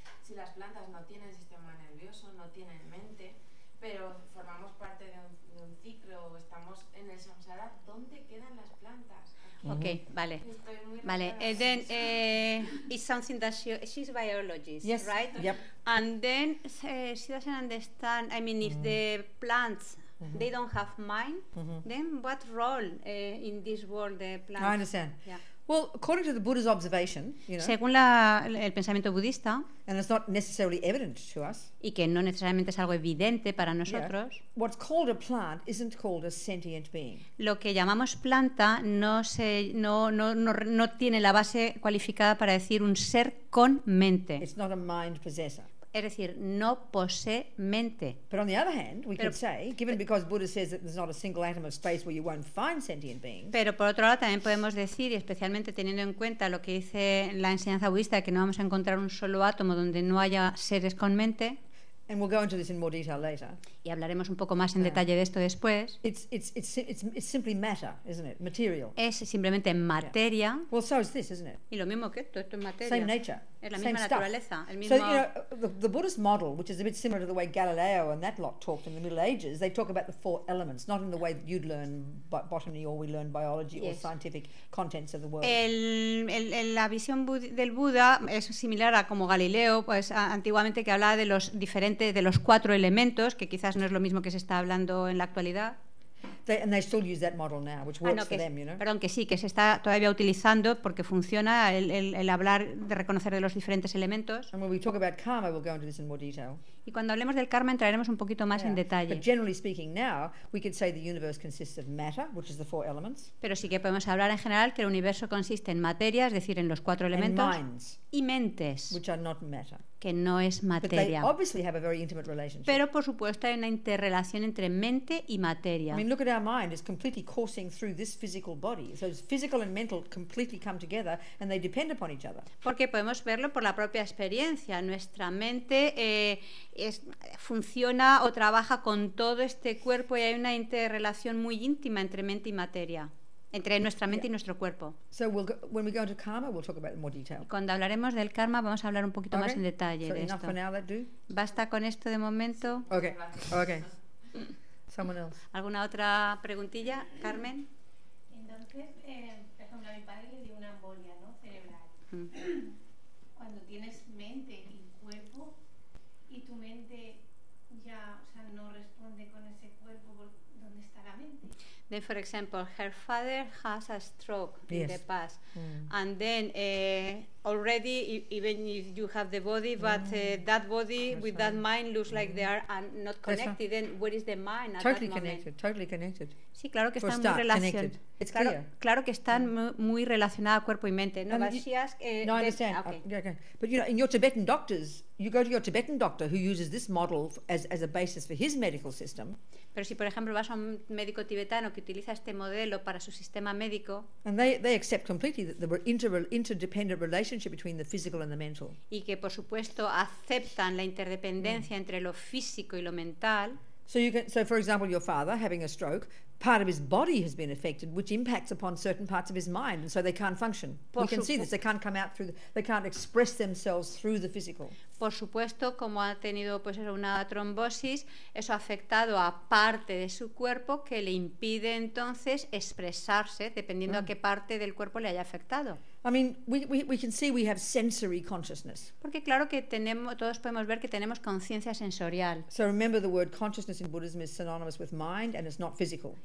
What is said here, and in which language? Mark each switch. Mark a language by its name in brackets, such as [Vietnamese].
[Spanish] Si las plantas no tienen sistema nervioso, no tienen mente, pero formamos parte de un ciclo, estamos en el samsara, ¿dónde quedan las plantas? Ok, vale. Vale. [English] And then it's something that she's a biologist, yes. right? Yep. And then she doesn't understand, I mean, if the plants mm-hmm. they don't have mind, mm-hmm. then what role in this world the plants? I understand. Yeah. Well, according to the Buddha's observation, you know, [Spanish] según el pensamiento budista, [English] and it's not necessarily evident to us, [Spanish] y que no necesariamente es algo evidente para nosotros, [English] yeah, what's called a plant isn't called a sentient being. [Spanish] Lo que llamamos planta no tiene la base cualificada para decir un ser con mente. [English] It's not a mind possessor. [Spanish] Es decir, no posee mente. [English] But on the other hand, we could say, given because Buddha says that there's not a single atom of space where you won't find sentient beings. [Spanish] Pero por otro lado también podemos decir, y especialmente teniendo en cuenta lo que dice la enseñanza budista, que no vamos a encontrar un solo átomo donde no haya seres con mente. [English] And we'll go into this in more detail later. [Spanish] Y hablaremos un poco más en detalle de esto después. [English] It's simply matter, isn't it? Material. [Spanish] Es simplemente materia. [English] Yeah. Well, so is this, isn't it? [Spanish] Y lo mismo que esto, esto es materia. [English] Same nature. [Spanish] Es la misma [English] same [Spanish] naturaleza. [English] Stuff. [Spanish] El mismo. [English] So you know, the Buddhist model, which is a bit similar to the way Galileo and that lot talked in the Middle Ages, they talk about the four elements, not in the way that you'd learn botany or we learn biology yes. or scientific contents of the world. [Spanish] La visión del Buda es similar a como Galileo, pues antiguamente que hablaba de los diferentes de los cuatro elementos, que quizás no es lo mismo que se está hablando en la actualidad. Perdón, que sí, que se está todavía utilizando porque funciona el hablar de reconocer de los diferentes elementos. [English] And when we talk about karma, we'll go into this in more detail. [Spanish] Y cuando hablemos del karma entraremos un poquito más [English] yeah. [Spanish] en detalle. [English] But generally speaking, now we could say the universe consists of matter, which is the four elements. [Spanish] Pero sí que podemos hablar en general que el universo consiste en materia, es decir, en los cuatro elementos. [English] And minds, [Spanish] y mentes, [English] which are not matter. [Spanish] Que no es materia. [English] But they obviously have a very intimate relationship. [Spanish] Pero por supuesto hay una interrelación entre mente y materia. [English] I mean, look at our mind; it's completely coursing through this physical body. So it's physical and mental completely come together, and they depend upon each other. [Spanish] Porque podemos verlo por la propia experiencia. Nuestra mente funciona o trabaja con todo este cuerpo y hay una interrelación muy íntima entre mente y materia, entre nuestra mente [English] yeah. [Spanish] y nuestro cuerpo. [English] So we'll go, when we go into karma, we'll talk about it in more detail. [Spanish] Cuando hablaremos del karma, vamos a hablar un poquito [English] okay. [Spanish] más en detalle [English] so [Spanish] de esto. [English] For now, that do? [Spanish] Basta con esto de momento. [English] Okay. Okay. Someone else. [Spanish] ¿Alguna otra preguntilla, Carmen? Entonces, por ejemplo, a mi padre le dio una embolia, ¿no? Cerebral. Mm. Cuando tienes mente y cuerpo y tu mente ya, o sea, no responde con ese cuerpo, ¿dónde está la mente? [English] Then, for example, her father has a stroke yes. in the past. Mm. And then already, even if you have the body, but that body that's with right. that mind looks like they are not connected, then where is the mind at totally that moment? Totally connected. [Spanish] Sí, claro que [English] or [Spanish] están [English] start, [Spanish] muy relacionadas. [English] It's [Spanish] claro, [English] clear. [Spanish] Claro que están muy relacionadas cuerpo y mente. [English] No, but she asked, no I understand. Okay. Okay. But you know, in your Tibetan doctors, you go to your Tibetan doctor who uses this model as a basis for his medical system. [Spanish] Pero si, por ejemplo, vas a un médico tibetano que utiliza este modelo para su sistema médico, [English] and they accept completely the interdependent relationship between the physical and the mental. [Spanish] Y que, por supuesto, aceptan la interdependencia entre lo físico y lo mental. [English] So, for example, your father having a stroke part of his body has been affected, which impacts upon certain parts of his mind, and so they can't function. We can see this. They can't come out through the, they can't express themselves through the physical. [Spanish] Por supuesto, como ha tenido pues una trombosis, eso ha afectado a parte de su cuerpo que le impide entonces expresarse, dependiendo a qué parte del cuerpo le haya afectado. [English] I mean, we can see we have sensory consciousness. [Spanish] Porque claro que tenemos, todos podemos ver que tenemos conciencia sensorial. [English] So remember, the word consciousness in Buddhism is synonymous with mind, and it's not physical.